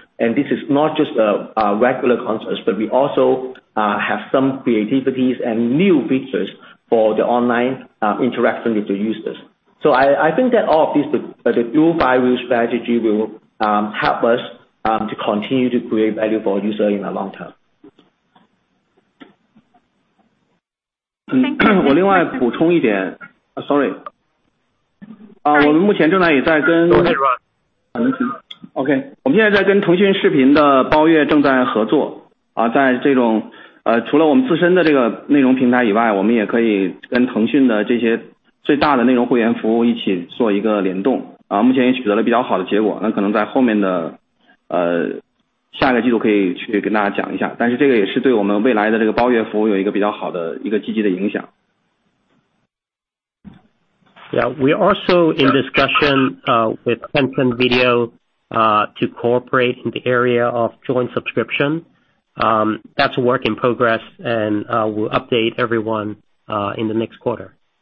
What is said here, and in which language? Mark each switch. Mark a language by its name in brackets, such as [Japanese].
[English] And this is not just a regular concerts, but we also have some creativities and new features for the online interaction with the users. So I think that all of this, the dual viral strategy will help us to continue to create value for users in the long term. [Chinese] 我另外补充一点 我们目前正在也在跟腾讯视频的包月正在合作，在这种除了我们自身的这个内容平台以外，我们也可以跟腾讯的这些最大的内容会员服务一起做一个联动，目前也取得了比较好的结果，那可能在后面的下个季度可以去跟大家讲一下，但是这个也是对我们未来的这个包月服务有一个比较好的一个积极的影响。 [English] Yeah, we are also in discussion with Tencent Video to cooperate in the area of joint subscription. That's a work in progress, and we'll update everyone in the next quarter.